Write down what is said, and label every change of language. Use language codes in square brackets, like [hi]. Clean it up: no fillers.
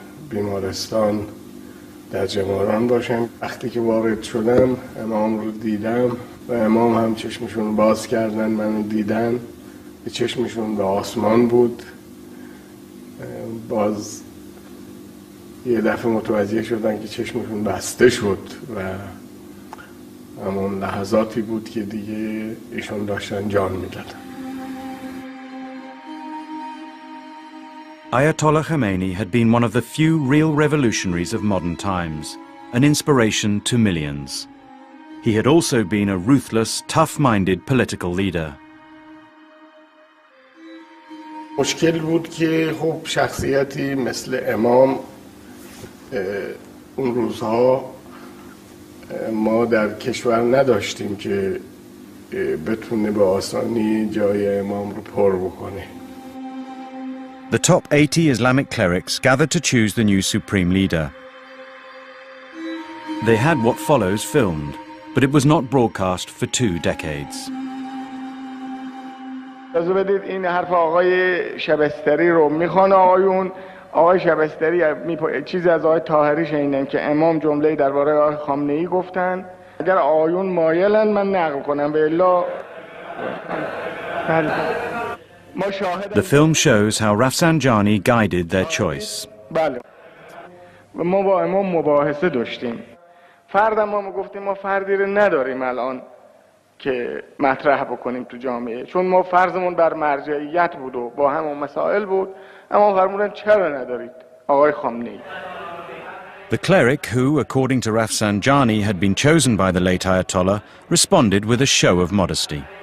[fa] بیمارستان در جماران باشم وقتی که وارد شدم امام رو دیدم و امام هم چشمشون رو باز کردن منو دیدن به چشمشون به آسمان بود باز یه دفعه متوجه شدن که چشمشون بسته شد و همون لحظاتی بود که دیگه ایشون داشتن جان میدادن [en] Ayatollah Khomeini had been one of the few real revolutionaries of modern times, an inspiration to millions. He had also been a ruthless, tough-minded political leader. [fa] مشکل بود که خب شخصیتی مثل امام اون روزها ما در کشور نداشتیم که بتونه به آسانی جای امام رو پر بکنه. [en] The top 80 Islamic clerics gathered to choose the new supreme leader. They had what follows filmed, but it was not broadcast for 2 decades. [fa] بذارید این حرف آقای شبستری رو میخوان آقایون آقای شبستری چیزی از آقای طاهری شنیدن که امام جمله درباره آقای خامنه ای گفتن اگر آقایون مایلن من نقل کنم و الا ما شاهد [en] The film shows how Rafsanjani guided their choice. [fa] بله ما با امام مباحثه داشتیم فرد ما گفتیم ما فردی رو نداریم الان که مطرح بکنیم تو جامعه چون ما فرضمون بر مرجعیت بود و با همون مسائل بود اما فرمودن چرا ندارید آقای خامنه‌ای [en] The cleric who according to Rafsanjani had been chosen by the late Ayatollah responded with a show of modesty